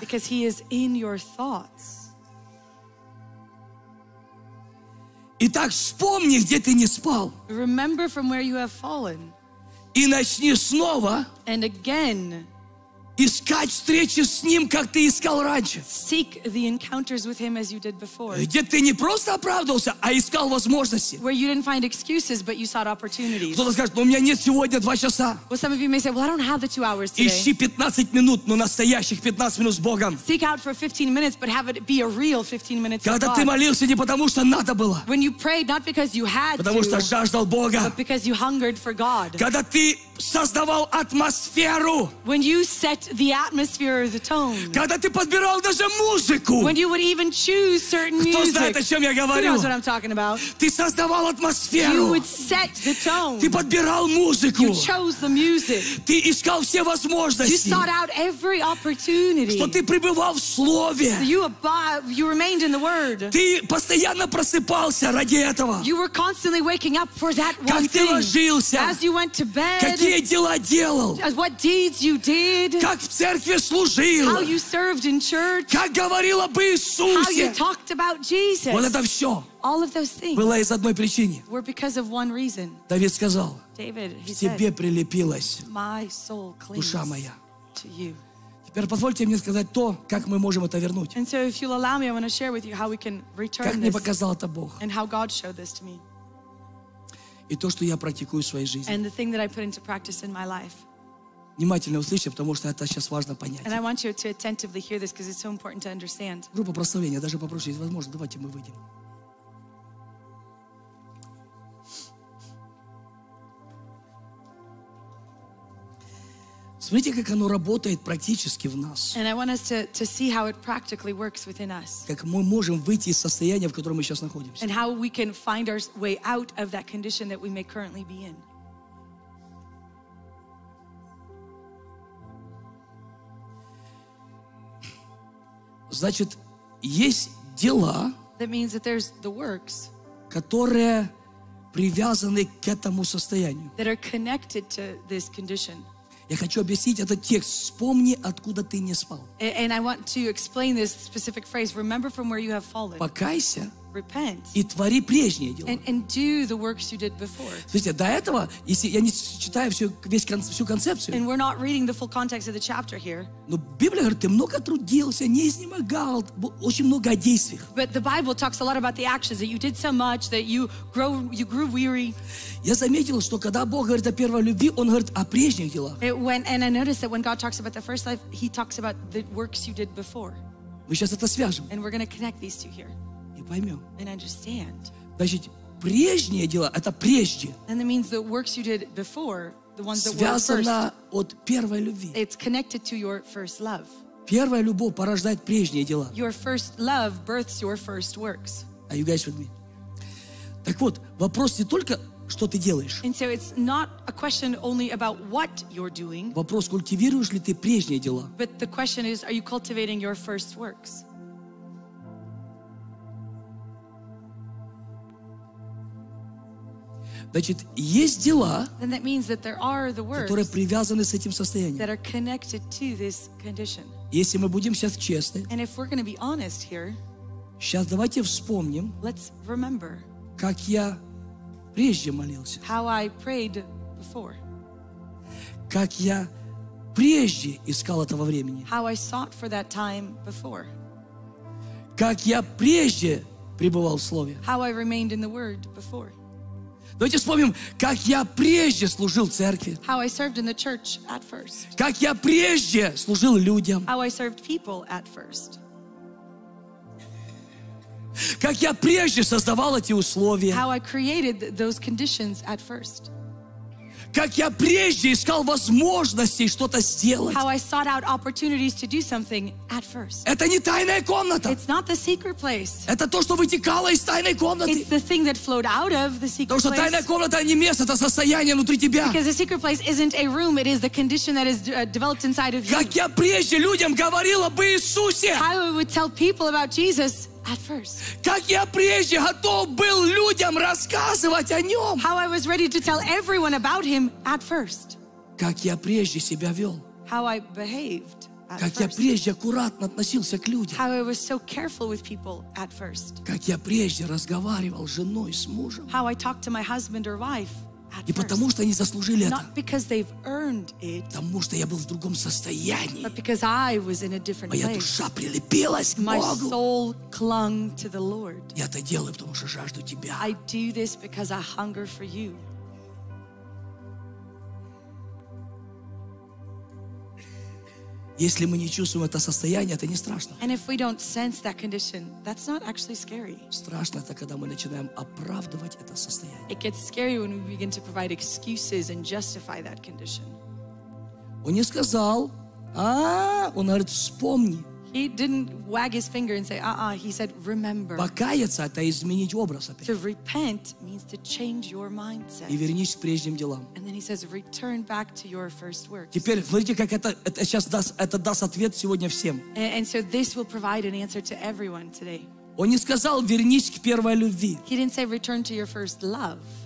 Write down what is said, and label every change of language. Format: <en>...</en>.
<en>Because he is in your thoughts.</en> <ru>Итак, вспомни, где ты не спал.</ru> <en>Remember from where you have fallen.</en> <ru>И начни снова</ru> <en>And again,</en> <ru>искать встречи с ним, как ты искал раньше.</ru> <en>Seek the encounters with him as you did before.</en> <ru>Где ты не просто оправдывался, а искал возможности.</ru> <en>Where you didn't find excuses, but you sought opportunities.</en> <ru>Кто-то скажет, но у меня нет сегодня 2 часа.</ru> <en>Well, some of you may say, well, I don't have the 2 hours today.</en> <ru>Ищи 15 минут, но настоящих 15 минут с Богом.</ru> <en>Seek out for 15 minutes, but have it be a real 15 minutes</en> <ru>Когда</ru> <en>with God.</en> <ru>Когда ты молился не потому, что надо было.</ru> <en>When you prayed, not because you had</en> <ru>потому</ru> <en>to.</en> <ru>Потому что жаждал Бога.</ru> <en>But because you hungered for God.</en> <ru>Когда ты создавал атмосферу.</ru> <en>When you set the atmosphere or the tone.</en> <ru>Когда ты подбирал даже музыку.</ru> <en>When you would even choose certain</en> <ru>Кто</ru> <en>music.</en> <ru>Кто знает, о чем я говорю?</ru> <en>Who knows what I'm talking about?</en> <ru>Ты создавал атмосферу.</ru> <en>You would set the tone.</en> <ru>Ты подбирал музыку.</ru> <en>You chose the music.</en> <ru>Ты искал все возможности.</ru> <en>You sought out every opportunity.</en> <ru>Что ты пребывал в слове.</ru> <en>So you remained in the word.</en> <ru>Ты постоянно просыпался ради этого.</ru> <en>You were constantly waking up for that one thing.</en> <ru>Как ты ложился.</ru> <en>As you went to bed.</en> <ru>Какие дела делал?</ru> <en>What deeds you did?</en> <ru>Как в церкви служил?</ru> <en>How you served in church?</en> <ru>Как говорил об Иисусе?</ru> <en>How you talked about Jesus?</en> <ru>Вот это все.</ru> <en>All of those things.</en> <ru>Было из одной причины.</ru> <en>Were because of one reason.</en> <ru>Давид сказал.</ru> <en>David, he said.</en> <ru>Тебе прилепилась.</ru> <en>My soul clings.</en> <ru>Душа моя.</ru> <en>To you.</en> <ru>Теперь позвольте мне сказать то, как мы можем это вернуть.</ru> <en>And so, if you'll allow me, I want to share with you how we can return this.</en> <ru>Как мне показал это Бог?</ru> <en>And how God showed this to me.</en> <ru>И то, что я практикую в своей жизни.</ru> <en>And the thing that I put into practice in my life.</en> <ru>Внимательно услышьте, потому что это сейчас важно понять.</ru> <en>And I want you to attentively hear this because it's so important to understand.</en> <ru>Группа прославления, даже попроще, если возможно, давайте мы выйдем. Смотрите, как оно работает практически в нас.</ru> <en>And I want us to see how it practically works within us.</en> <ru>Как мы можем выйти из состояния, в котором мы сейчас находимся.</ru> <en>And how we can find our way out of that condition that we may currently be in.</en> <ru>Значит, есть дела,</ru> <en>that means that there's the works,</en> <ru>которые привязаны к этому состоянию.</ru> <en>That are connected to this condition.</en> <ru>Я хочу объяснить этот текст. Вспомни, откуда ты не спал.</ru> <en>And I want to explain this specific phrase. Remember from where you have fallen.</en> <ru>Покайся.</ru> <en>Repent.</en> <ru>И твори прежние дела.</ru> <en>And do the works you did before.</en> <ru>Слушайте, до этого, если я не читаю всю концепцию.</ru> <en>And we're not reading the full context of the chapter here.</en> <ru>Но Библия говорит, ты много трудился, не изнемогал, очень много действий.</ru> <en>But the Bible talks a lot about the actions that you did so much that you grew weary.</en> <ru>Я заметил, что когда Бог говорит о первой любви, Он говорит о прежних делах.</ru> <en>And I noticed that when God talks about the first life, He talks about the works you did before.</en> <ru>Мы сейчас это свяжем.</ru> <en>And we're going to connect these two here.</en> <ru>И поймем.</ru> <en>And understand.</en> <ru>Значит, прежние дела — это прежде.</ru> <en>And that means the works you did before, the ones that first.</en> <ru>Связано от первой любви.</ru> <en>It's connected to your first love.</en> <ru>Первая любовь порождает прежние дела.</ru> <en>Your first love births your first works. Are you guys with me?</en> <ru>Так вот, вопрос не только что ты делаешь.</ru> <en>And so it's not a question only about what you're doing.</en> <ru>Вопрос, культивируешь ли ты прежние дела.</ru> <en>But the question is, are you cultivating your first works?</en> <ru>Значит, есть дела,</ru> <en>then that means that there are the works,</en> <ru>которые привязаны с этим состоянием.</ru> <en>That are connected to this condition.</en> <ru>Если мы будем сейчас честны,</ru> <en>and if we're going to be honest here,</en> <ru>сейчас давайте вспомним,</ru> <en>let's remember,</en> <ru>как я прежде молился.</ru> <en>How I prayed before.</en> <ru>Как я прежде искал этого времени.</ru> <en>How I sought for that time before.</en> <ru>Как я прежде пребывал в Слове.</ru> <en>How I remained in the Word before.</en> <ru>Давайте вспомним, как я прежде служил церкви.</ru> <en>How I served in the church at first.</en> <ru>Как я прежде служил людям.</ru> <en>How I served people at first.</en> <ru>Как я прежде создавал эти условия.</ru> <en>How I created those conditions at first.</en> <ru>Как я прежде искал возможности что-то сделать.</ru> <en>How I sought out opportunities to do something at first.</en> <ru>Это не тайная комната.</ru> <en>It's not the secret place.</en> <ru>Это то, что вытекало из тайной комнаты.</ru> <en>It's the thing that flowed out of the secret place.</en> <ru>Потому что тайная комната не место, это состояние внутри тебя.</ru> <en>Because the secret place isn't a room, it is the condition that is developed inside of you.</en> <ru>Как я прежде людям говорил об Иисусе.</ru> <en>How I would tell people about Jesus. At first.</en> <ru>Как я прежде готов был людям рассказывать о нем.</ru> <en>How I was ready to tell everyone about him at first.</en> <ru>Как я прежде себя вел.</ru> <en>How I behaved at</en> <ru>Как я прежде аккуратно относился к людям.</ru> <en>How I was so careful with people at first.</en> <ru>Как я прежде разговаривал с женой, с мужем.</ru> <en>How I talked to my husband or wife at first.</en> <ru>И потому что они заслужили это.</ru> <en>Not because they've earned it.</en> <ru>Потому что я был в другом состоянии.</ru> <en>But because I was in a different place.</en> <ru>Моя душа прилепилась к Богу.</ru> <en>My soul clung to the Lord.</en> <ru>Я это делаю, потому что жажду тебя.</ru> <en>I do this because I hunger for you.</en> <ru>Если мы не чувствуем это состояние, это не страшно.</ru> <en>And if we don't sense that condition, that's not actually scary.</en> <ru>Страшно это, когда мы начинаем оправдывать это состояние.</ru> <en>It gets scary when we begin to provide excuses and justify that condition.</en> <ru>Он не сказал, он говорит, вспомни.</ru> <en>He didn't wag his finger and say, he said, remember.</en> <ru>Покаяться — это изменить образ опять.</ru> <en>To repent means to change your mindset.</en> <ru>И вернись к прежним делам.</ru> <en>And then he says, return back to your first works.</en> <ru>Теперь смотрите, как это сейчас даст, это даст ответ сегодня всем.</ru> <en>And so this will provide an answer to everyone today.</en> <ru>Он не сказал, вернись к первой любви.</ru> <en>He didn't say, return to your first love.</en>